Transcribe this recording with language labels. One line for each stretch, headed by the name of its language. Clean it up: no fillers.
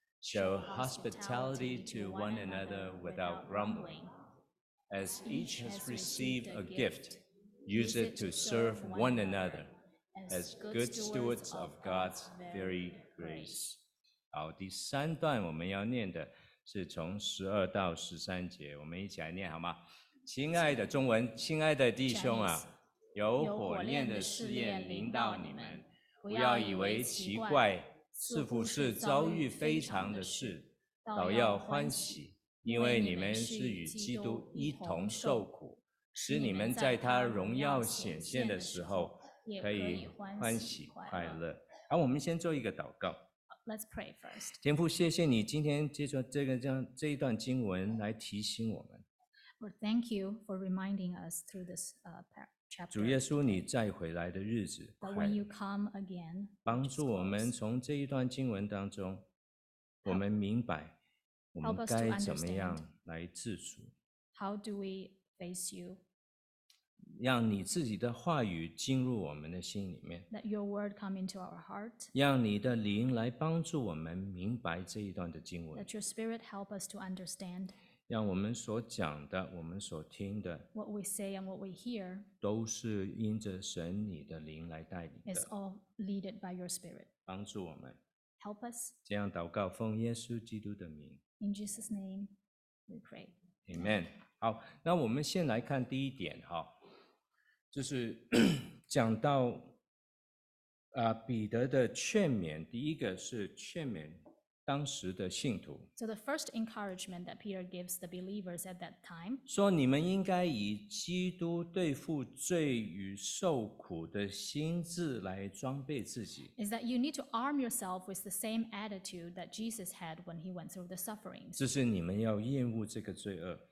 English: Show hospitality to one another without grumbling. As each has received a gift, use it to serve one another as good stewards of God's very grace.
Chinese: 好，第三段我们要念的是从十二到十三节，我们一起来念好吗？亲爱的，中文，亲爱的弟兄啊，有火炼的试验临到你们，不要以为奇怪，似乎是遭遇非常的事，倒要欢喜，因为你们是与基督一同受苦，使你们在他荣耀显现的时候可以欢喜快乐。好，我们先做一个祷告。
English: Let's pray first.
Chinese: 天父，谢谢你今天借着这一段经文来提醒我们。
English: Lord, thank you for reminding us through this chapter.
Chinese: 主耶稣，你再回来的日子快了。
English: When you come again,
Chinese: 帮助我们从这一段经文当中，我们明白我们该怎么样来自处。
English: How do we face you?
Chinese: 让你自己的话语进入我们的心里面。
English: Let your word come into our heart.
Chinese: 让你的灵来帮助我们明白这一段的经文。
English: Let your spirit help us to understand.
Chinese: 让我们所讲的，我们所听的
English: ，What we say and what we hear，
Chinese: 都是因着神你的灵来带领的。
English: It's all led by your spirit.
Chinese: 帮助我们。
English: Help us.
Chinese: 这样祷告，奉耶稣基督的名。
English: In Jesus' name, we pray. Amen.
Chinese: 好，那我们先来看第一点哈。就是讲到、彼得的劝勉，第一个是劝勉当时的信徒。
English: So the first encouragement that Peter gives the believers at that time.
Chinese: 说你们应该以基督对付罪与受苦的心智来装备自己。
English: Is that you need to arm yourself with the same attitude that Jesus had when he went through the sufferings.
Chinese: 就是你们要厌恶这个罪恶。